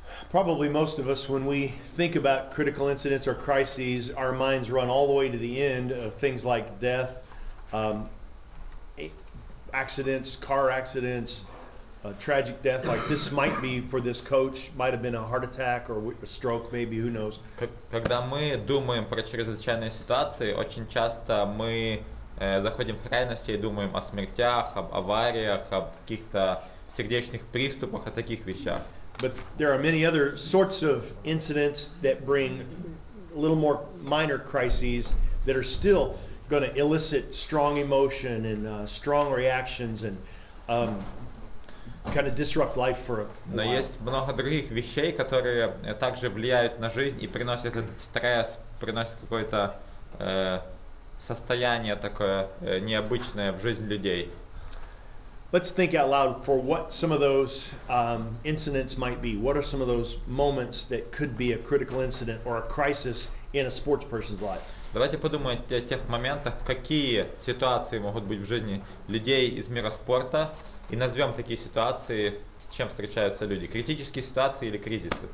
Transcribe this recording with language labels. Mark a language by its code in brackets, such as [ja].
[en] Probably most of us, when we think about critical incidents or crises, our minds run all the way to the end of things like death, accidents, car accidents, a tragic death like this might be for this coach, might have been a heart attack or a stroke, maybe, who knows. [ru] Когда мы думаем про чрезвычайные ситуации, очень часто мы заходим в крайности и думаем о смертях, об авариях, об каких-то сердечных приступах, о таких вещах. [en] But there are many other sorts of incidents that bring a little more minor crises that are still going to elicit strong emotion and strong reactions and kind of disrupt life for a while. [ru] Но есть много других вещей, которые также влияют на жизнь и приносят этот стресс, приносят какое-то состояние такое необычное в жизнь людей. [en] Let's think out loud for what some of those incidents might be. What are some of those moments that could be a critical incident or a crisis in a sports person's life? [ru] Давайте подумаем о тех моментах, какие ситуации могут быть в жизни людей из мира спорта, и назовем такие ситуации, с чем встречаются люди. Критические ситуации или кризисы.